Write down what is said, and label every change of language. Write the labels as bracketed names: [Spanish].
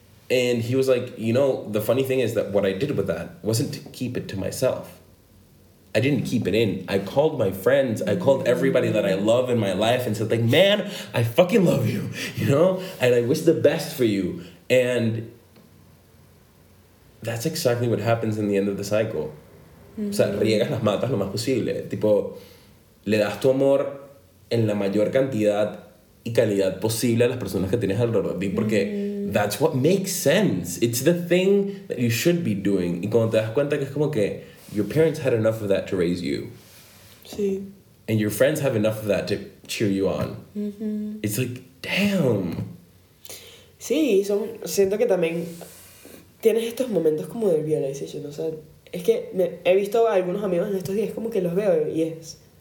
[English] And he was like, you know, the funny thing is that what I did with that wasn't to keep it to myself. I didn't keep it in. I called my friends. I called everybody that I love in my life and said, like, man, I fucking love you, you know? And I wish the best for you. And that's exactly what happens in the end of the cycle. Mm-hmm. [Spanish] O sea, riegas las matas lo más posible. Tipo, le das tu amor en la mayor cantidad y calidad posible a las personas que tienes alrededor de ti. [English] Porque that's what makes sense. It's the thing that you should be doing. [Spanish] Y cuando te das cuenta que es como que your parents had enough of that to raise you. Sí. [English] And your friends have enough of that to cheer you on. Mm-hmm. It's like, damn. [Spanish] Sí, siento que también tienes estos momentos como de realization. O sea, es que he visto a algunos amigos en estos días, como que los veo y es...